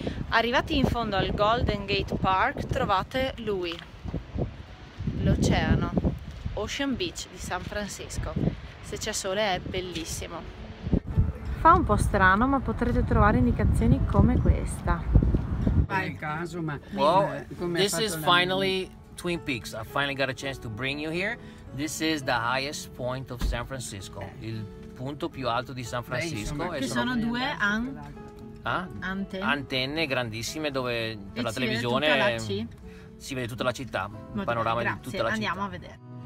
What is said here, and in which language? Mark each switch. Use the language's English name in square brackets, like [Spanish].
[Italian] Arrivati in fondo al Golden Gate Park, trovate lui, l'oceano, Ocean Beach di San Francisco. Se c'è sole è bellissimo. Fa un po' strano, ma potrete trovare indicazioni come questa. Vai in caso, ma [English] well, this is finally Twin Peaks. I finally got a chance to bring you here. This is the highest point of San Francisco. [Italian] Il punto più alto di San Francisco. Beh, insomma, sono due an... Antenne grandissime dove per la televisione si vede tutta la città, il panorama di tutta la città. Andiamo a vedere.